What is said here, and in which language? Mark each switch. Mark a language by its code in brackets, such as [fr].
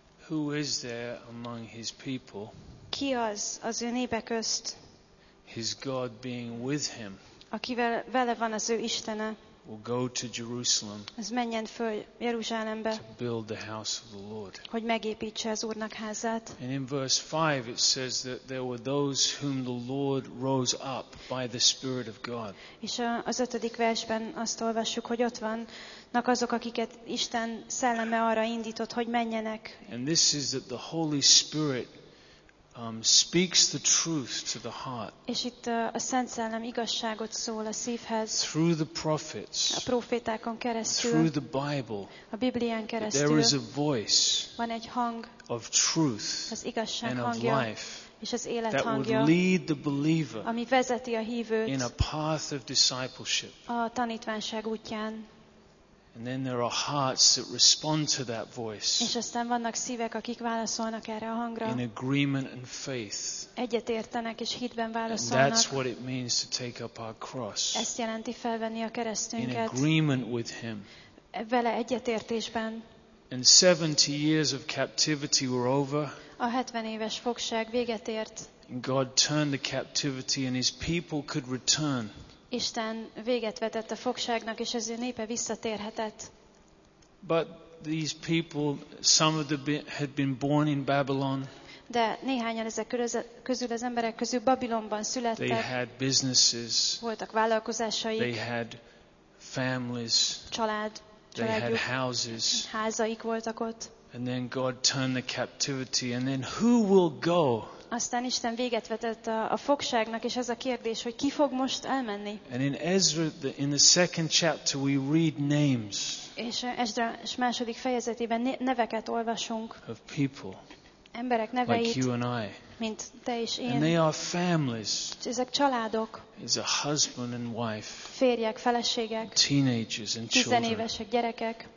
[en] Who is there among his people? [hu] Ki az ő népe közt? [en] His God being with him. [hu] Akivel vele van az ő Istene. [en] Will go to Jerusalem. [hu] Az menjen föl Jeruzsálembe. [en] To build the house of the Lord. [hu] Hogy megépítse az Úrnak házát. [en] And in verse 5 it says that there were those whom the Lord rose up by the Spirit of God. [hu] És az ötödik versben azt olvassuk, hogy ott vannak azok, akiket Isten szelleme arra indított, hogy menjenek. [en] And this is that the Holy Spirit speaks the truth to the heart. [hu] És itt a Szent Szellem igazságot szól a szívhez. [en] Through the prophets. [hu] A prófétákon keresztül. [en] Through the Bible. [hu] A Biblián keresztül. [en] There is a voice. [hu] Van egy hang. [en] Of truth. [hu] Az igazság hangja. [en] And of life. [hu] És az élet [en] that [hu] hangja. [en] That would lead the believer. [hu] Ami vezeti a hívőt. [en] In a path of discipleship. [hu] A tanítványság útján. [en] And then there are hearts that respond to that voice. [hu] És aztán vannak szívek, akik válaszolnak erre a hangra. [en] In agreement and faith. [hu] Egyetértenek és hitben válaszolnak. [en] That's what it means to take up our cross. [hu] Ezt jelenti felvenni a keresztünket. [en] In agreement with him. [hu] Vele egyetértésben. [en] And 70 years of captivity were over. [hu] A 70 éves fogság véget ért. [en] God turned the captivity and his people could return. [hu] Isten véget vetett a fogságnak, és az ő népe visszatérhetett. [en] But these people, some of them had been born in Babylon. [hu] De néhányan ezek közül az emberek közül Babilonban születtek. [en] They had businesses. [hu] Voltak vállalkozásaik. [en] They had families. [hu] Család. [en] They had houses. [hu] Házaik voltak ott. [en] And then God turned the captivity, and then who will go? [hu] Aztán Isten véget vetett a fogságnak, és ez a kérdés, hogy ki fog most elmenni. [en] And in Ezra, in the second chapter, we read names. [hu] És Ezra második fejezetében neveket olvasunk. [en] Of people. [hu] Emberek neveit. [en] Like you and I. [hu] Mint te és én. [en] And they are families. [hu] Ezek családok. [en] It's a husband and wife. [hu] Férjek, feleségek. [en] Teenagers and children. [hu] Tizenévesek, gyerekek.